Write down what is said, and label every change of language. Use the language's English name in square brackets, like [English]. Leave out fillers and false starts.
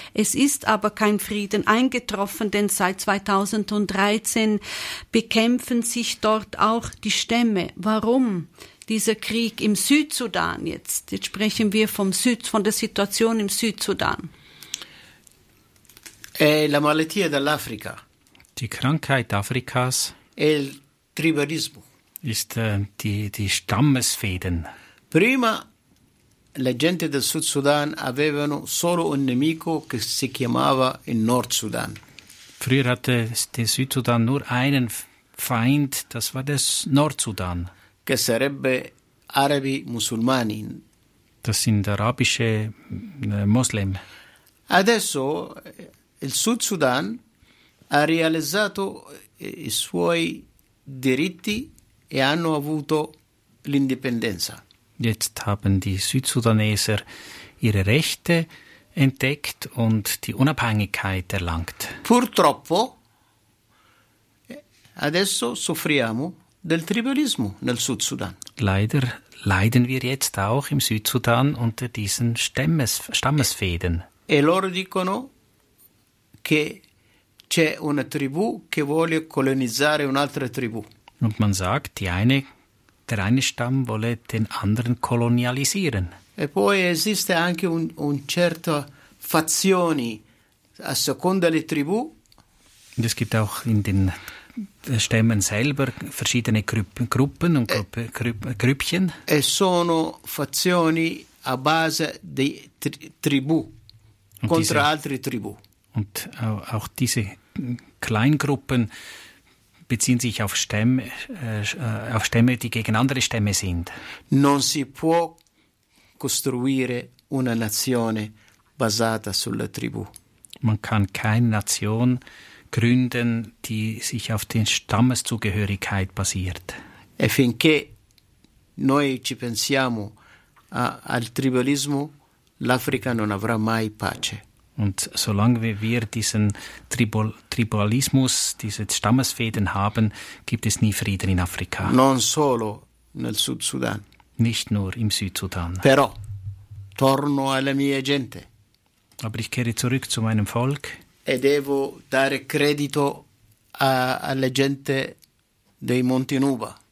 [German] Es ist aber kein Frieden eingetroffen, denn seit 2013 bekämpfen sich dort auch die Stämme. Warum dieser Krieg im Südsudan jetzt? Jetzt sprechen wir von der Situation im Südsudan. [Italian] È la malattia dell'Africa. [German] Die Krankheit Afrikas. [Italian] Il tribalismo. [German] Ist die Stammesfäden. [Italian] Prima la gente del Sud Sudan avevano solo un nemico che si chiamava il Nord Sudan. [German] Früher hatte der Südsudan nur einen Feind, das war der Nordsudan. [Italian] Che sarebbe arabi musulmani [German] Das sind arabische Moslem. [Italian] Adesso il Sud Sudan ha realizzato i suoi diritti e hanno avuto l'indipendenza. [German] Jetzt haben die Südsudaneser ihre Rechte entdeckt und die Unabhängigkeit erlangt. [Italian] Purtroppo adesso soffriamo del tribalismo nel Sud Sudan. [German] Leider leiden wir jetzt auch im Südsudan unter diesen Stammesfehden. [Italian] E loro dicono che c'è una tribù che vuole colonizzare un'altra tribù. [German] Und man sagt, der eine Stamm wolle den anderen kolonialisieren. [Italian] E poi esiste anche un certo fazioni a seconda le tribù. [German] Und es gibt auch in den Stämmen selber verschiedene Gruppen und Grüppchen. [Italian] E sono fazioni a base di tribù contro altre tribù. [German] Und auch diese Kleingruppen beziehen sich auf Stämme, die gegen andere Stämme sind. [Italian] Non si può costruire una nazione basata sulla tribù. [German] Man kann keine Nation gründen, die sich auf den Stammeszugehörigkeit basiert. [Italian] E finché noi ci pensiamo al tribalismo, l'Africa non avrà mai pace. [German] Und solange wir diesen Tribalismus, diese Stammesfäden haben, gibt es nie Frieden in Afrika. [Italian] Non solo nel Sud Sudan. [German] Nicht nur im Südsudan. [Italian] Però torno alla mia gente. [German] Aber ich kehre zurück zu meinem Volk. [Italian] E devo dare credito alle gente dei Monti Nuba.